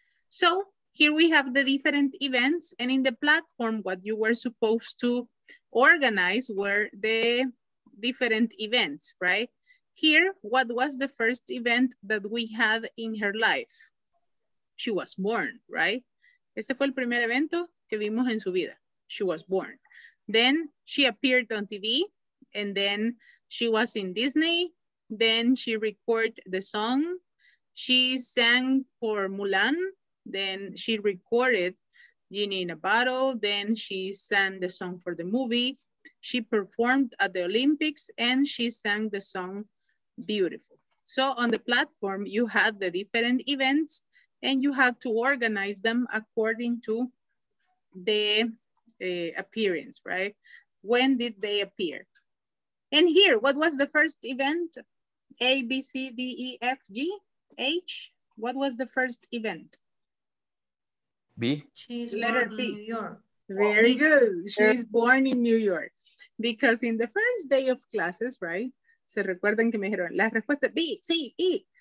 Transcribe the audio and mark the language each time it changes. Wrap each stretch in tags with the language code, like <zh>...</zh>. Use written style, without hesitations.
<en>So here we have the different events. And in the platform, what you were supposed to organize were the different events, right? Here, what was the first event that we had in her life? She was born, right?</en> <es>Este fue el primer evento que vimos en su vida.</es> <en>She was born. Then she appeared on TV, and then she was in Disney. Then she recorded the song. She sang for Mulan. Then she recorded Genie in a Bottle. Then she sang the song for the movie. She performed at the Olympics and she sang the song Beautiful. So on the platform, you had the different events and you had to organize them according to the appearance, right? When did they appear? And here, what was the first event? A, B, C, D, E, F, G, H. What was the first event? B. She's letter born B. In New York. Very good. She's born in New York. Because in the first day of classes, right?</en> <es>Se recuerdan que me dijeron la respuesta B, C, E.</es>